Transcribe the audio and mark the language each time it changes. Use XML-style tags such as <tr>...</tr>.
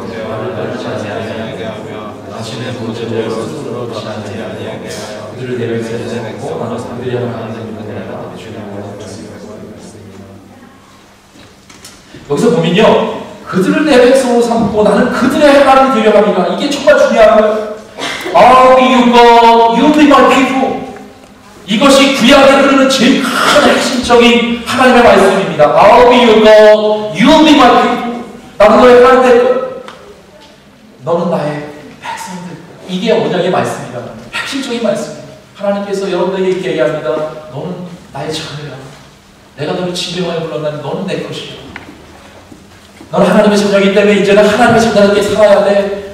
<ko>당신은 보전대로 스스로 다시 하지 아니하게 그들을 내려주셨고 나는 상대의 하나님 여기서 보면요, 그들을 내 백성으로 삼고 나는 그들의 하나님 되려 합니다. 이게 정말 중요한 거예요.</ko> <en>I'll be your God, you'll be my people.</en> <ko>이것이 구약에 흐르는 제일 큰 핵심적인 하나님의 말씀입니다.</ko> <en>I'll be your God, you'll be my people.</en> <ko>나는 너의 하나님 될 거예요. 너는 나의 백성들. 이게 언약의 말씀이다. 핵심적인 말씀. 하나님께서 여러분들에게 얘기합니다. 너는 나의 자녀야. 내가 너를 지명하여 불렀나니 너는 내 것이야. 너는 하나님의 자녀이기 때문에 이제는 하나님의 자녀답게 살아야 돼.</ko>